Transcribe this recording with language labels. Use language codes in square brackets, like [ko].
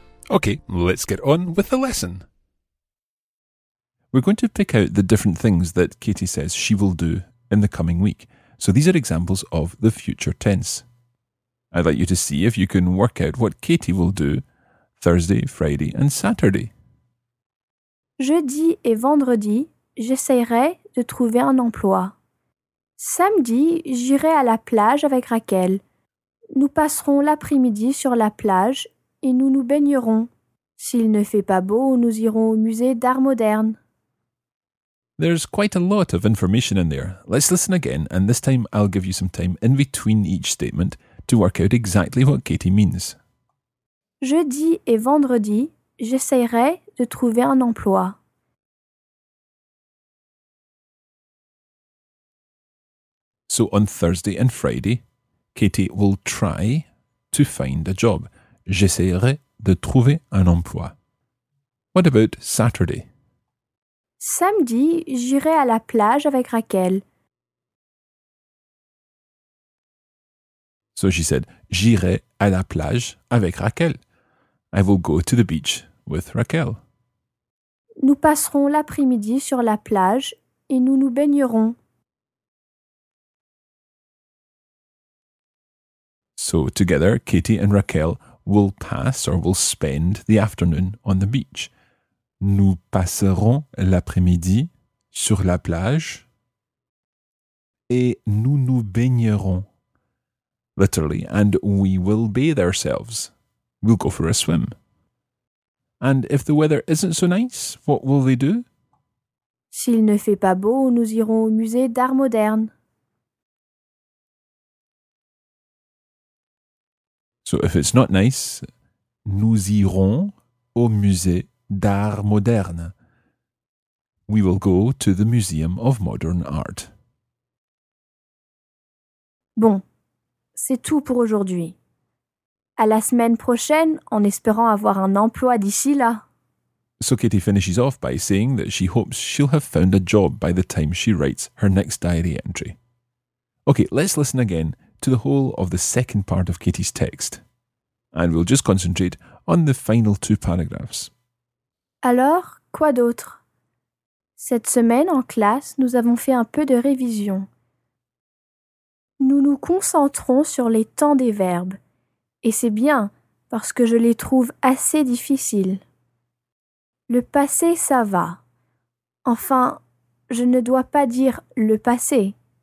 [en] Okay, let's get on with the lesson. We're going to pick out the different things that Katie says she will do in the coming week. So these are examples of the future tense. I'd like you to see if you can work out what Katie will do Thursday, Friday and Saturday. [fr] Jeudi et vendredi, j'essaierai de trouver un emploi. Samedi, j'irai à la plage avec Raquel. Nous passerons l'après-midi sur la plage et nous nous baignerons. S'il ne fait pas beau, nous irons au musée d'art moderne. [en] There's quite a lot of information in there. Let's listen again, and this time I'll give you some time in between each statement to work out exactly what Katie means. [fr] Jeudi et vendredi, j'essaierai de trouver un emploi. [en] So on Thursday and Friday, Katie will try to find a job. [fr] J'essaierai de trouver un emploi. [en] What about Saturday? [fr] Samedi, j'irai à la plage avec Raquel. [en] So she said, [fr] j'irai à la plage avec Raquel. [en] I will go to the beach with Raquel. [fr] Nous passerons l'après-midi sur la plage et nous nous baignerons. [en] So together, Katie and Raquel will pass or will spend the afternoon on the beach. [fr] Nous passerons l'après-midi sur la plage et nous nous baignerons. [en] Literally, and we will bathe ourselves. We'll go for a swim. And if the weather isn't so nice, what will they do? [fr] S'il ne fait pas beau, nous irons au musée d'art moderne. [en] So if it's not nice, [fr] nous irons au musée d'art moderne. [en] We will go to the Museum of Modern Art. [fr] Bon, c'est tout pour aujourd'hui. À la semaine prochaine, en espérant avoir un emploi d'ici là. [en] So Katie finishes off by saying that she hopes she'll have found a job by the time she writes her next diary entry. Okay, let's listen again to the whole of the second part of Katie's text. And we'll just concentrate on the final two paragraphs. [fr] Alors, quoi d'autre? Cette semaine, en classe, nous avons fait un peu de révision. Nous nous concentrons sur les temps des verbes. Et c'est bien, parce que je les trouve assez difficiles. Le passé, ça va. Enfin, je ne dois pas dire le passé.